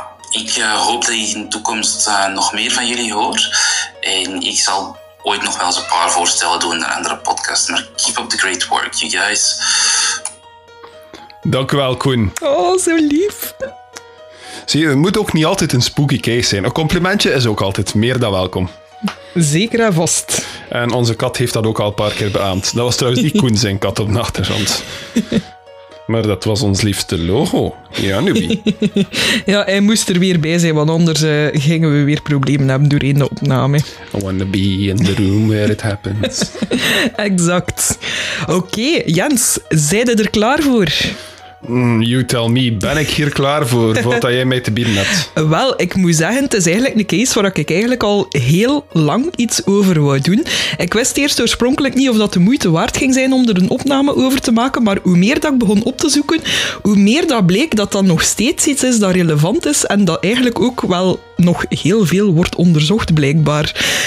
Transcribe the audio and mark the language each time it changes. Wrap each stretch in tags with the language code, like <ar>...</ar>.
<nl>Ik hoop dat ik in de toekomst nog meer van jullie hoor. En ik zal ooit nog wel eens een paar voorstellen doen naar andere podcasts.</nl> <en>Maar keep up the great work, you guys.</en> <nl>Dank u wel, Koen. Oh, zo lief. Zie je, het moet ook niet altijd een spooky case zijn. Een complimentje is ook altijd meer dan welkom. Zeker en vast. En onze kat heeft dat ook al een paar keer beaamd. Dat was trouwens niet Koen zijn kat op de achtergrond. Maar dat was ons liefste logo. Ja, Nubi. Ja, hij moest er weer bij zijn, want anders gingen we weer problemen hebben doorheen de opname.</nl> <en>I wanna be in the room where it happens.</en> <nl>Exact. Oké, Jens, zijn we er klaar voor?</nl> <en>You tell me,</en> <nl>ben ik hier klaar voor wat jij mij te bieden hebt? Wel, ik moet zeggen, het is eigenlijk een case waar ik eigenlijk al heel lang iets over wou doen. Ik wist eerst oorspronkelijk niet of dat de moeite waard ging zijn om er een opname over te maken, maar hoe meer dat ik begon op te zoeken, hoe meer dat bleek dat dat nog steeds iets is dat relevant is en dat eigenlijk ook wel nog heel veel wordt onderzocht, blijkbaar.</nl>